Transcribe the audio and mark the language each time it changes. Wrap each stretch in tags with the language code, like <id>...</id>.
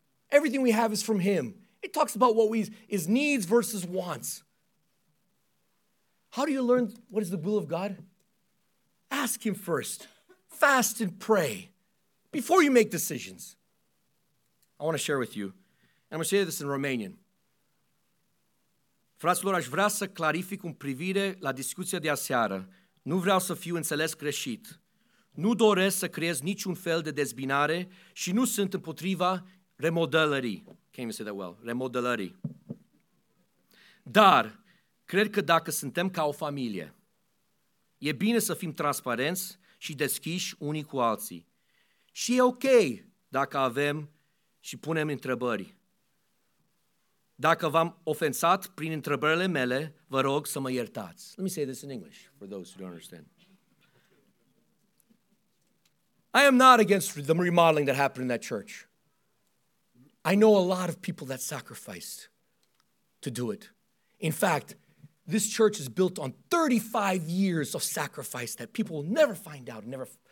<en>Everything we have is from him. It talks about what is needs versus wants. How do you learn what is the will of God? Ask him first. Fast and pray before you make decisions. I want to share with you, and I'm going to say this in Romanian.</en> <ro>Fraților, aș vrea să clarific un privire la discuția de aseară. Nu vreau să fiu înțeles greșit. Nu doresc să creez niciun fel de dezbinare și nu sunt împotriva remodelării.</ro> <en>Can't even say that well.</en> <ro>Remodelării. Dar, cred că dacă suntem ca o familie, e bine să fim transparenți și deschiși unii cu alții. Și e ok dacă avem și punem întrebări. Dacă v-am ofensat prin întrebările mele, vă rog să mă iertați.</ro> <en>Let me say this in English for those who don't understand. I am not against the remodeling that happened in that church. I know a lot of people that sacrificed to do it. In fact, this church is built on 35 years of sacrifice that people will never find out, never</en>